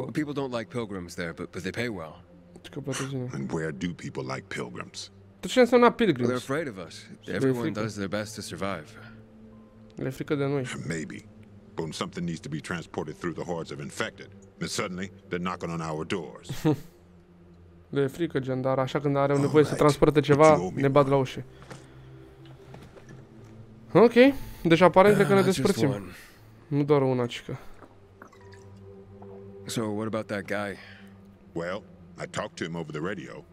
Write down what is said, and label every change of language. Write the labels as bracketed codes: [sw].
[en] Well, people don't like pilgrims there, but they pay well. And where do people like pilgrims? [ro] Ce înseamnă pilgrims? [en] They're afraid of us. Everyone does their best to survive. [ro] Le frică de noi. [en] Maybe. But when something needs to be transported through the hordes of infected, then suddenly they're knocking on our doors. [ro] Le frică, gen, dar așa când are nevoie să transporte ceva, ne bat la ușă. Ok, deci aparent că ne despărțim. Nu doar una, cică. [en] So, what about that guy? Well, I talked to him over the radio.